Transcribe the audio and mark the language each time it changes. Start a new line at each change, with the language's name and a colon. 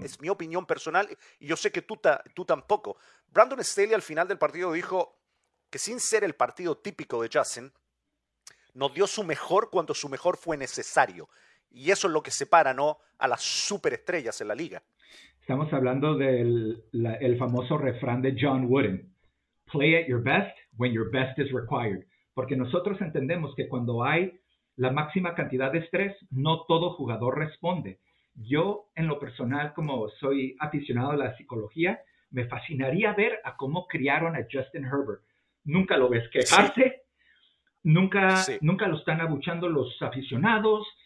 Spanish: No. Es mi opinión personal y yo sé que tú tampoco. Brandon Staley al final del partido dijo que sin ser el partido típico de Justin, nos dio su mejor cuando su mejor fue necesario. Y eso es lo que separa, ¿no?, a las superestrellas en la liga. Estamos hablando del el famoso refrán de John Wooden.
English: Play at your best when your best is required.
Spanish: Porque nosotros entendemos que cuando hay la máxima cantidad de estrés, no todo jugador responde. Yo, en lo personal, como soy aficionado a la psicología, me fascinaría ver a cómo criaron a Justin Herbert. Nunca lo ves quejarse. Sí. Nunca, sí. Nunca lo están abuchando los aficionados.